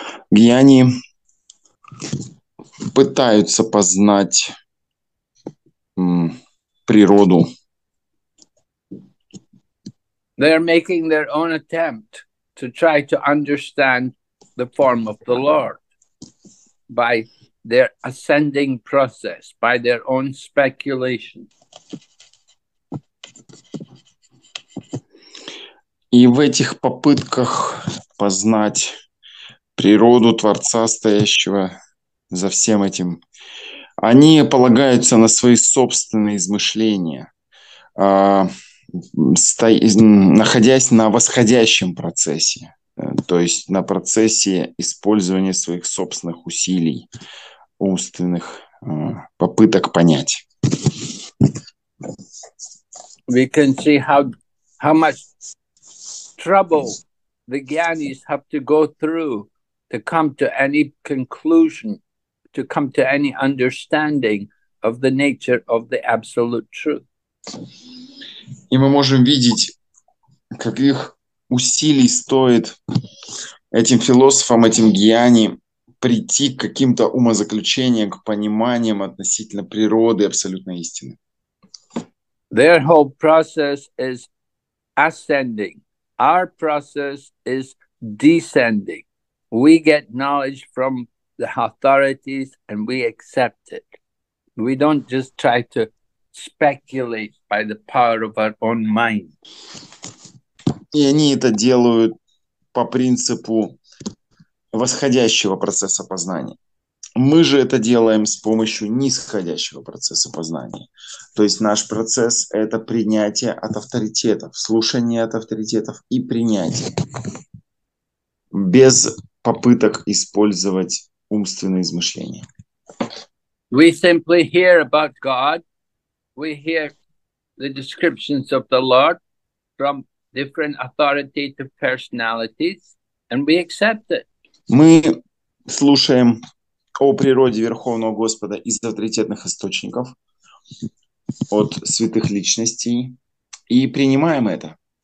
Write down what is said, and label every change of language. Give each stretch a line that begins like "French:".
Russian: Гьяни пытаются познать природу.
English: They're making their own attempt to try to understand the form of the Lord by their ascending process, by their own speculation.
Russian: И в этих попытках познать природу Творца, стоящего за всем этим, они полагаются на свои собственные измышления, находясь на восходящем процессе, то есть на процессе использования своих собственных усилий, умственных попыток понять.
English: We can see how much trouble the gyanis have to go through to come to any conclusion, to come to any understanding of the nature of the absolute truth.
Russian: И мы можем видеть, каких усилий стоит этим философам, этим гьяни, прийти к каким-то умозаключениям, к пониманиям относительно природы абсолютной истины.
English: Their whole process is ascending. Our process is descending. We get knowledge from the authorities and we accept it. We don't just try to speculate by the power of our own mind.
Russian: И они это делают по принципу восходящего процесса познания. Мы же это делаем с помощью нисходящего процесса познания. То есть наш процесс — это принятие от авторитетов, слушание от авторитетов и принятие. Без попыток использовать умственные измышления.
English: We simply hear about God. We hear the descriptions of the Lord from different authority to personalities, and we accept it.
Russian: Мы слушаем о природе Верховного Господа из авторитетных источников, от святых личностей, и принимаем это.